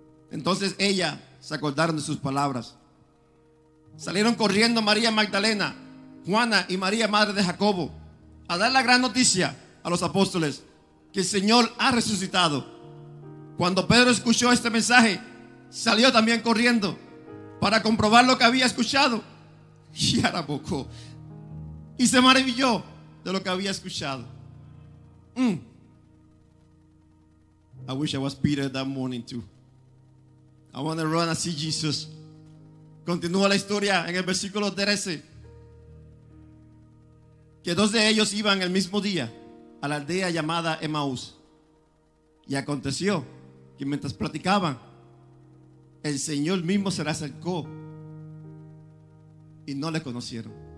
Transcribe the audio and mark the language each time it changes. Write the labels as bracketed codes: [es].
[es] Entonces ella se acordaron de sus palabras. Salieron corriendo María Magdalena, Juana y María, madre de Jacobo, a dar la gran noticia a los apóstoles que el Señor ha resucitado. Cuando Pedro escuchó este mensaje, salió también corriendo para comprobar lo que había escuchado. Y ahora poco. Y se maravilló de lo que había escuchado. [en] I wish I was Peter that morning too. I want to run and see Jesus. [es] Continúa la historia en el versículo 13. Que dos de ellos iban el mismo día a la aldea llamada Emaús. Y aconteció que mientras platicaban, el Señor mismo se le acercó y no le conocieron.